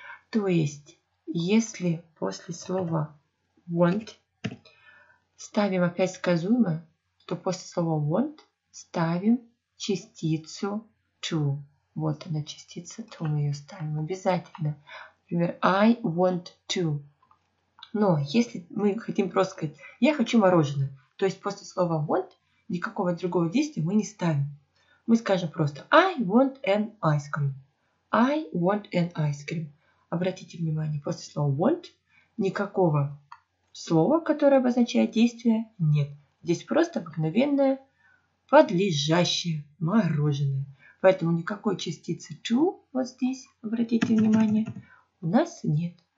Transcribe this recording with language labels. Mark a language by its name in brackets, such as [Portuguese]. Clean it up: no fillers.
[Russian] То есть, если после слова want ставим опять сказуемое, то после слова want ставим частицу to. Вот она частица, то мы ее ставим обязательно. Например, [English] I want to. [Russian] Но если мы хотим просто сказать, я хочу мороженое, то есть после слова want никакого другого действия мы не ставим. Мы скажем просто [English] I want an ice cream. I want an ice cream. [Russian] Обратите внимание, после слова want никакого слова, которое обозначает действие, нет. Здесь просто обыкновенное подлежащее мороженое. Поэтому никакой частицы to вот здесь, обратите внимание, у нас нет.